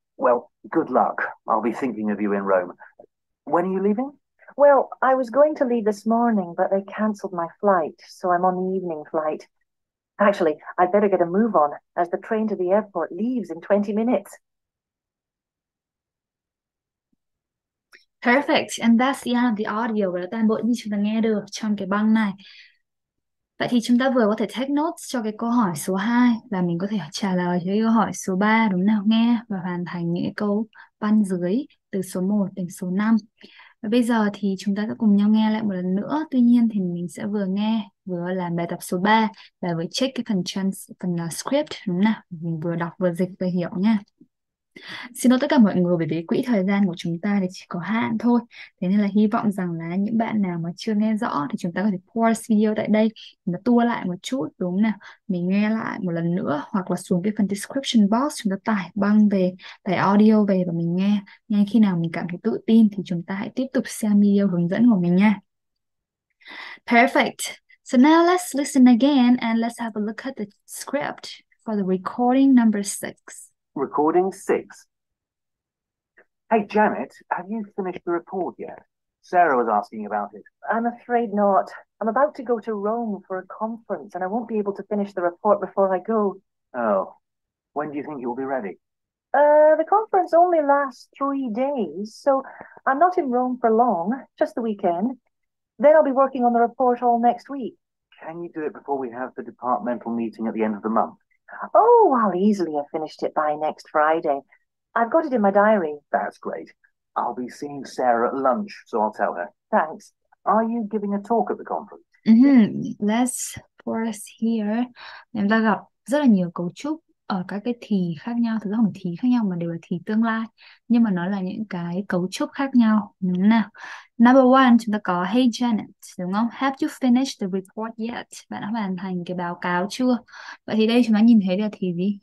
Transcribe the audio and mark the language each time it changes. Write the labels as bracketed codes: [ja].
[en] Well, good luck. I'll be thinking of you in Rome. When are you leaving? Well, I was going to leave this morning, but they cancelled my flight, so I'm on the evening flight. Actually, I'd better get a move on, as the train to the airport leaves in 20 minutes. Perfect, and that's the end of the audio [vi] và toàn bộ những gì chúng ta nghe được trong cái băng này. Vậy thì chúng ta vừa có thể [en] take notes [vi] cho cái câu hỏi số 2 và mình có thể trả lời cho cái câu hỏi số 3 đúng nào, nghe và hoàn thành những cái câu văn dưới từ số 1 đến số 5. Và bây giờ thì chúng ta sẽ cùng nhau nghe lại một lần nữa. Tuy nhiên thì mình sẽ vừa nghe vừa làm bài tập số 3 và vừa check cái phần script đúng nào, mình vừa đọc vừa dịch vừa hiểu nha. Xin lỗi tất cả mọi người bởi vì quỹ thời gian của chúng ta thì chỉ có hạn thôi. Thế nên là hy vọng rằng là những bạn nào mà chưa nghe rõ thì chúng ta có thể pause video tại đây, nó tua lại một chút đúng không nào? Mình nghe lại một lần nữa hoặc là xuống cái phần description box chúng ta tải băng về, tải audio về và mình nghe. Ngay khi nào mình cảm thấy tự tin thì chúng ta hãy tiếp tục xem video hướng dẫn của mình nha. [en] Perfect. So now let's listen again and let's have a look at the script for the recording number six. Recording six. Hey Janet, have you finished the report yet? Sarah was asking about it. I'm afraid not. I'm about to go to Rome for a conference and I won't be able to finish the report before I go. Oh, when do you think you'll be ready? The conference only lasts 3 days, so I'm not in Rome for long, just the weekend. Then I'll be working on the report all next week. Can you do it before we have the departmental meeting at the end of the month? Oh, I'll easily have finished it by next Friday. I've got it in my diary. That's great. I'll be seeing Sarah at lunch, so I'll tell her. Thanks. Are you giving a talk at the conference? Let's pause here. [vi] Em đã gặp rất là nhiều cấu trúc ở các cái thì khác nhau, thực ra không thì khác nhau mà đều là thì tương lai, nhưng mà nó là những cái cấu trúc khác nhau. Đúng nào. [en] Number one, [vi] chúng ta có [en] Hey Janet, [vi] đúng không? [en] Have you finished the report yet? [vi] Bạn đã hoàn thành cái báo cáo chưa? Vậy thì đây chúng ta nhìn thấy là thì gì?